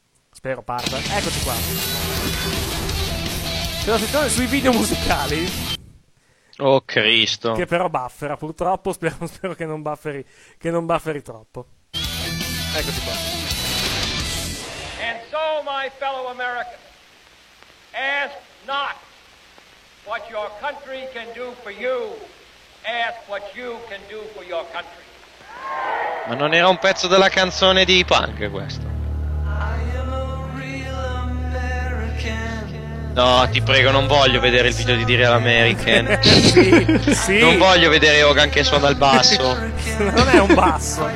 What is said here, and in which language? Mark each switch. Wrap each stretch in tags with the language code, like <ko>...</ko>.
<it>Spero parta. Eccoci qua. C'è la sezione sui video musicali. Oh Cristo. Che però buffera, purtroppo, spero che non bufferi troppo. Eccoci qua.</it> <en>And so my fellow American, ask not what your country can do for you, ask what you can do for your country.</en> <it>Ma non era un pezzo della canzone di punk questo? No, ti prego, non voglio vedere il video di The Real American. sì. Non voglio vedere Hogan che suona il basso. Non è un basso.</it>